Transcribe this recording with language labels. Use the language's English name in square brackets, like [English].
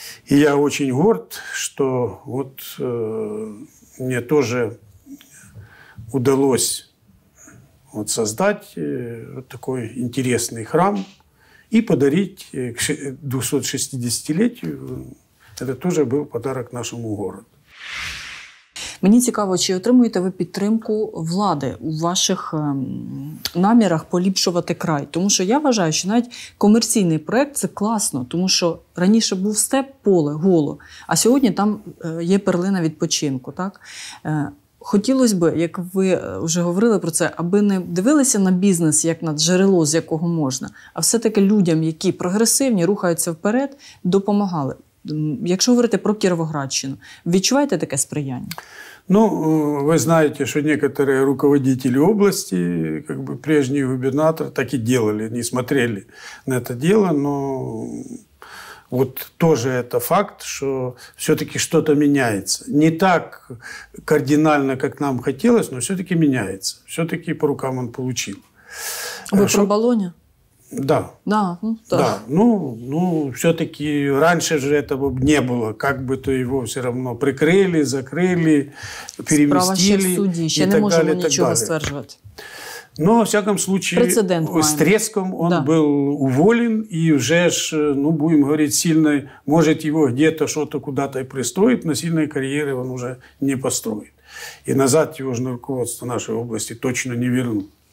[Russian] И я очень горд, что вот мне тоже удалось... Вот создать вот такой интересный храм и подарить к 260-летию. Это тоже был подарок нашему городу. [Ukrainian] Мені цікаво, чи отримуєте ви підтримку влади у ваших намірах поліпшувати край? Тому що я вважаю, що навіть комерційний проєкт – це класно, тому що раніше був степ, поле, голо, а сьогодні там є перлина відпочинку, так? Хотілося б, як ви вже говорили про це, аби не дивилися на бізнес як на джерело, з якого можна, а все-таки людям, які прогресивні, рухаються вперед, допомагали. Якщо говорити про Кіровоградщину, відчуваєте таке сприяння? [Russian] Ну, вы знаете, что некоторые руководители области, как бы прежний губернатор, так и делали, не смотрели на это дело, но вот тоже это факт, что все-таки что-то меняется. Не так кардинально, как нам хотелось, но все-таки меняется. Все-таки по рукам он получил. Вы про Болоня? Да. Да, ну, да. Ну, все-таки раньше же этого не было. Как бы то его все равно прикрыли, закрыли, переместили. [Ukrainian] Справа ще в суді, ще не можемо далі, нічого стверджувати. [Russian] Ну, во всяком случае, с треском он да. был уволен, и уже ж, ну, будем говорить, сильно, может, его где-то что-то куда-то и пристроит, но сильной карьеры он уже не построит. И назад его же на руководство нашей области точно не вернут.